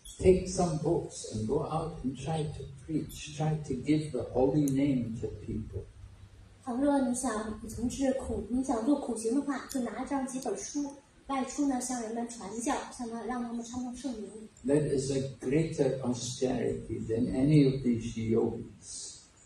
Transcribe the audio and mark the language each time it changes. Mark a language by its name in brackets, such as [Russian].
[English] Take some books and go out and try to preach, try to give the holy name to people. [Chinese] 倘若你想做苦行的话，就拿这样几本书。外出呢，向人们传教，让他们唱诵圣名。That [English] is a greater austerity than any of these yogis.